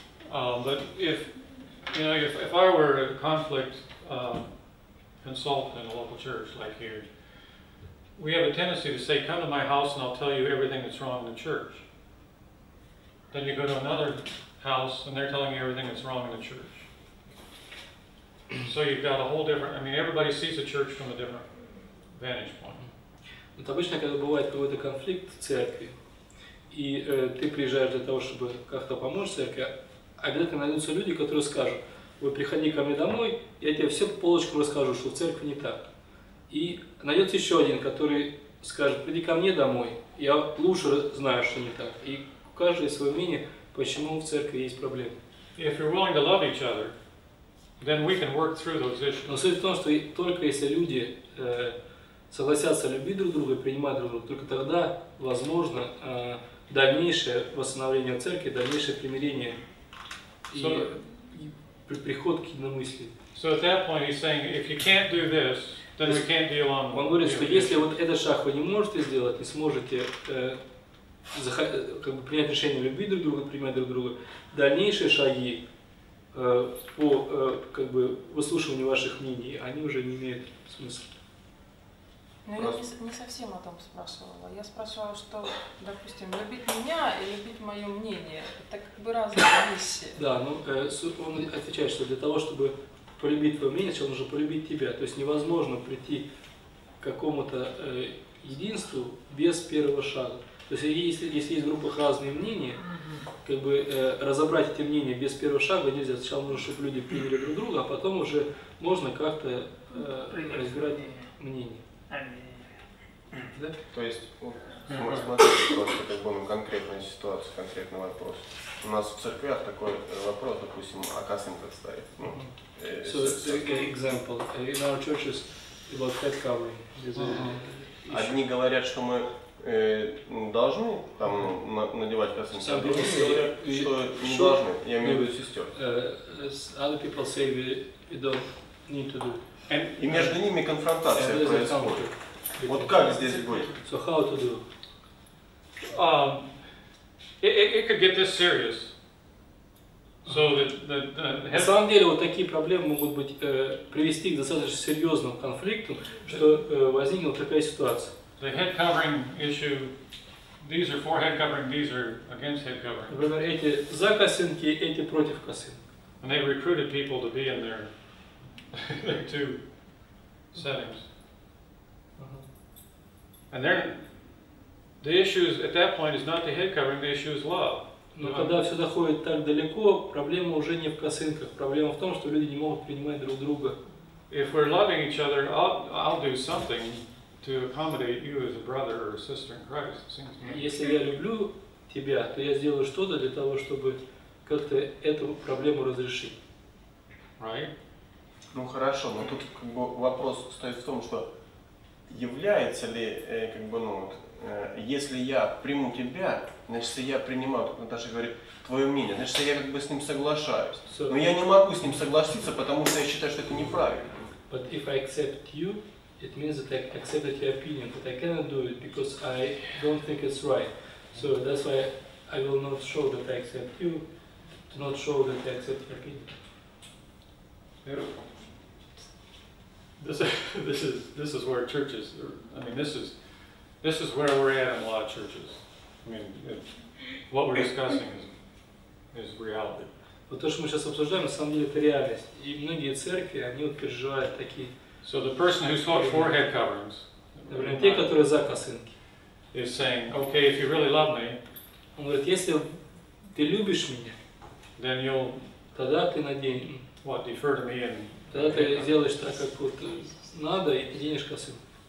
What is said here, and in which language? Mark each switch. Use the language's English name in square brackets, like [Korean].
[English] But if I were a conflict consultant in a local church like here, we have a tendency to say, "Come to my house, and I'll tell you everything that's wrong in the church." Then you go to another house, and they're telling you everything that's wrong in the church. So you've got a whole different. I mean, everybody sees the church from a different vantage point. [Russian] Вот обычно, когда бывает какой-то конфликт в церкви, и ты приезжаешь для того, чтобы как-то помочь церкви, обязательно найдутся люди, которые скажут: "Вы приходи ко мне домой, я тебе все по полочкам расскажу, что в церкви не так." И найдется еще один, который скажет: "Приди ко мне домой, я лучше знаю, что не так." И каждое свое мнение, почему в церкви есть проблемы. [English] If you're willing to love each other, then we can work through those issues. [Russian] Но суть в том, что только если люди согласятся любить друг друга, принимать друг друга, только тогда возможно дальнейшее восстановление церкви, дальнейшее примирение и приход к единомыслию. [English] So at that point he's saying, if you can't do this, then we can't deal on. [Russian] Он говорит, что если вот этот шаг вы не можете сделать, не сможете принять решение любить друг друга, принимать друг друга, дальнейшие шаги по выслушиванию ваших мнений, они уже не имеют смысла. Но я не совсем о том спрашивала. Я спрашивала, что, допустим, любить меня и любить мое мнение, это как бы разные вещи. Да, он отвечает, что для того, чтобы полюбить твое мнение, он нужно полюбить тебя. То есть невозможно прийти к какому-то единству без первого шага. То есть если есть в группах разные мнения, разобрать эти мнения без первого шага нельзя. Сначала нужно, чтобы люди приняли друг друга, а потом уже можно как-то разбирать мнение. Да? То есть смотрите просто конкретную ситуацию, конкретный вопрос. У нас в церквях такой вопрос, допустим, о касинках стоит. [English] So example, in our churches about head covering. [Russian] Одни говорят, что мы Должны там надевать косынки. [English] Some people say, [Russian] что не должны, я имею в виду сестер. [English] Other people say we don't need to do. [Russian] И между ними конфронтация происходит. Вот как здесь быть? [English] So how to do? It could get this serious. So [Russian] the на самом деле вот такие проблемы могут быть привести к достаточно серьезному конфликту, что возникла такая ситуация. [English] The head covering issue. These are for head covering. These are against head covering. [Russian] Например, эти за косынки, эти против косынок. [English] And they recruited people to be in their two settings. And then the issue is at that point is not the head covering. The issue is love. [Russian] Но когда все заходит так далеко, проблема уже не в косынках. Проблема в том, что люди не могут принимать друг друга. [English] If we're loving each other, I'll do something to accommodate you as a brother or a sister in Christ. [Russian] Если я люблю тебя, то я сделаю что-то для того, чтобы как-то эту проблему разрешить. [English] Right? [Russian] Ну хорошо, но тут как бы вопрос стоит в том, что является ли как бы ну вот. Если я приму тебя, значит, я принимаю, как Наташа говорит, твое мнение, значит, я как бы с ним соглашаюсь. So, но я не могу с ним согласиться, потому что я считаю, что это неправильно. [English] But if I accept you, it means that I accepted your opinion, but I cannot do it because I don't think it's right. So that's why I will not show that I accept you, to not show that I accept your opinion. This is where churches. I mean, this is where we're at in a lot of churches. I mean, what we're discussing is reality. [Russian] Вот то, что мы сейчас обсуждаем, на самом деле это реальность. И многие церкви, они вот переживают такие. [English] So the person who fought for head coverings, [Russian] те, которые за косынки, [English] is saying, okay, if you really love me, [Russian] он говорит, если ты любишь меня, [English] then you'll [Russian] тогда ты наденешь. [English] What defer to me and [Russian] тогда ты сделаешь так, как вот надо, и наденешь косынку.